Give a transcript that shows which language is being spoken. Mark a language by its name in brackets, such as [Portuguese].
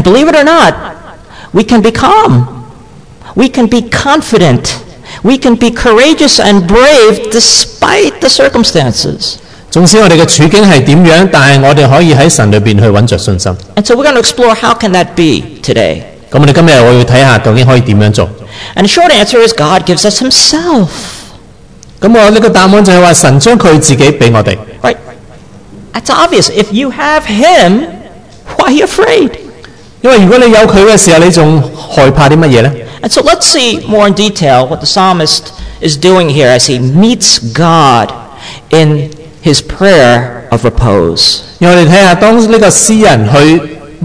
[English] And believe it or not, we can be calm, we can be confident, we can be courageous and brave despite the circumstances. [Cantonese] 縱使我哋嘅處境係點樣，但係我哋可以喺神裏邊去揾著信心。 [English] And so we're going to explore how can that be today. [Cantonese] 咁我哋今日我要睇下究竟可以點樣做。 [English] And the short answer is God gives us Himself. [Cantonese] 咁我呢個答案就係話神將佢自己俾我哋。 [English] Right. That's obvious. If you have Him, why are you afraid? [Cantonese] 因為如果你有佢嘅時候，你仲害怕啲乜嘢咧？ [English] And so let's see more in detail what the psalmist is doing here as he meets God in his prayer of repose. [Cantonese] 因為我哋睇下當呢個詩人去。